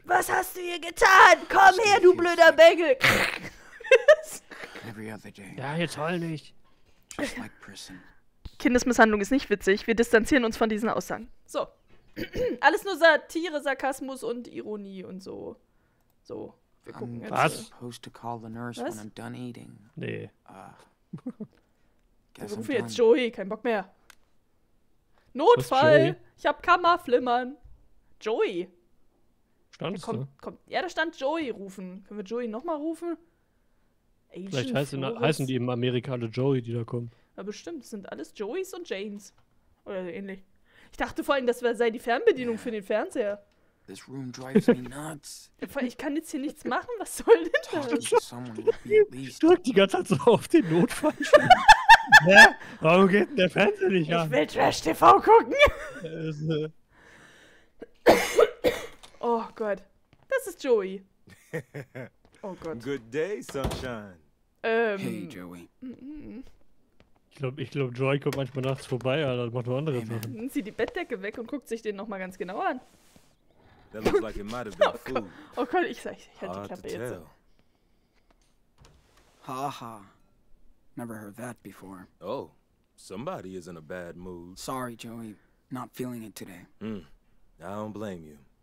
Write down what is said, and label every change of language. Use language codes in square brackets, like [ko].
[de] Was hast du hier getan? Komm her, du blöder Bengel. [en] Every other day. [de] Ja, jetzt heul nicht. [en] Just like [de] prison. Kindesmisshandlung ist nicht witzig. Wir distanzieren uns von diesen Aussagen. So. Alles nur Satire, Sarkasmus und Ironie und so. So. Wir gucken jetzt. Was? [en] Supposed to call the nurse when I'm done eating. [de] Nee. Ich rufe jetzt Joey. Kein Bock mehr. Notfall. Ich hab Kammerflimmern. Joey. Standst du? Ja, da stand Joey rufen. Können wir Joey nochmal rufen? Asian Vielleicht heißen die im Amerika alle Joey, die da kommen. Ja, bestimmt. Das sind alles Joeys und Janes. Oder ähnlich. Ich dachte vor allem, das sei die Fernbedienung für den Fernseher. [en] This room drives me nuts. [de] Ich kann jetzt hier nichts machen. Was soll denn das? Ich drück die ganze Zeit so auf den Notfall. Ja, warum geht denn der Fernseher nicht an? Ich will Trash-TV gucken. Oh Gott. Das ist Joey. Oh Gott. [en] Good day, Sunshine. Hey, Joey. [de] Ich glaube, Joy kommt manchmal nachts vorbei, aber dann macht nur andere Sachen. Dann zieht die Bettdecke weg und guckt sich den nochmal ganz genau an. [en] That looks like it might have been food. [de] Oh Gott, ich hätte die Klappe jetzt. [en] Haha. Never heard that before. Oh, somebody is in a bad mood. Sorry, Joey. Not feeling it today. I don't blame you.